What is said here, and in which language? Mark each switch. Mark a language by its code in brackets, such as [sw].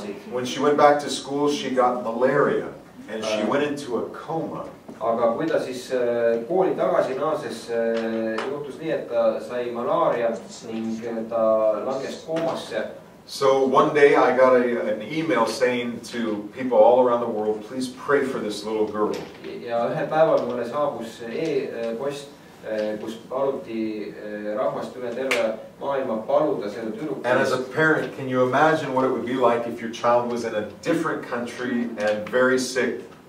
[en] When she went back to school, she got malaria and she went into a coma. [et] Aga kui ta siis kooli tagasi naases, juhtus nii, et ta sai malaria ning ta langes koomasse. [en] So one day I got an email saying to people all around the world, please pray for this little girl. [et] Ja ühe päeval mulle saabus e-post, kus paluti rahvast üle terve maailma paluda selle tüdruku. [en] And as a parent, can you imagine what it would be like if your child was in a different country and very sick?